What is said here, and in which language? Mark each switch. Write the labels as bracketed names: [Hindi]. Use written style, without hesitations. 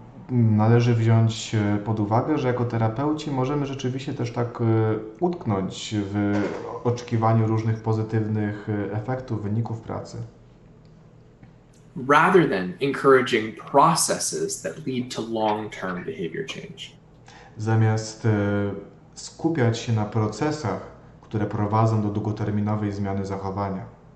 [Polish] Należy wziąć pod uwagę, że jako terapeuci możemy rzeczywiście też tak utknąć w oczekiwaniu różnych pozytywnych efektów, wyników pracy. [English] Rather than encouraging processes that lead to long-term behavior change. [Polish] Zamiast skupiać się na procesach, które prowadzą do długoterminowej zmiany zachowania.